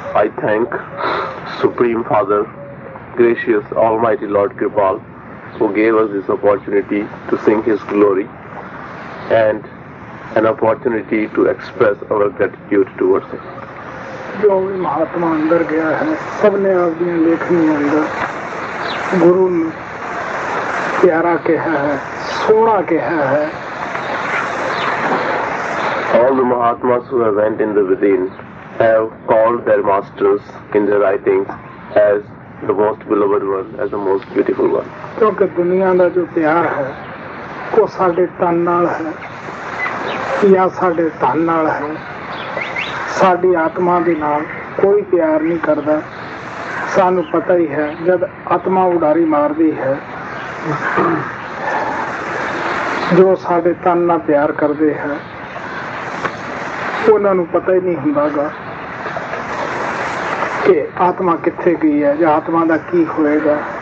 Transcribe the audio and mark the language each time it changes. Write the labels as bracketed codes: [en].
[en] I thank Supreme Father Gracious Almighty Lord Kirpal who gave us this opportunity to sing his glory and an opportunity to express our gratitude towards him. [pa] ਜੋ ਵੀ ਮਹਾਤਮਾ ਅੰਦਰ ਗਿਆ ਹੈ, ਸਭ ਨੇ ਆਪਦੀਆਂ ਲੇਖਣੀਆਂ ਅੰਦਰ ਗੁਰੂ ਨੂੰ ਪਿਆਰਾ ਕਿਹਾ ਹੈ, ਸੋਹਣਾ ਕਿਹਾ ਹੈ, [en] All the Mahatmas who have went in the within have called their masters in their writings as the most beloved one, as the most beautiful one. Because the world is the love of our love, it is our love, [pa] ਸਾਡੀ ਆਤਮਾ ਦੇ ਨਾਲ ਕੋਈ ਪਿਆਰ ਨਹੀਂ ਕਰਦਾ। ਸਾਨੂੰ ਪਤਾ ਹੀ ਹੈ ਜਦ ਆਤਮਾ ਉਡਾਰੀ ਮਾਰਦੀ ਹੈ ਜੋ ਸਾਡੇ ਤਨ ਨਾਲ ਪਿਆਰ ਕਰਦੇ ਹੈ ਉਹਨਾਂ ਨੂੰ ਪਤਾ ਹੀ ਨਹੀਂ ਹੁੰਦਾ ਗਾ ਕਿ ਆਤਮਾ ਕਿੱਥੇ ਗਈ ਹੈ ਜਾਂ ਆਤਮਾ ਦਾ ਕੀ ਹੋਏਗਾ।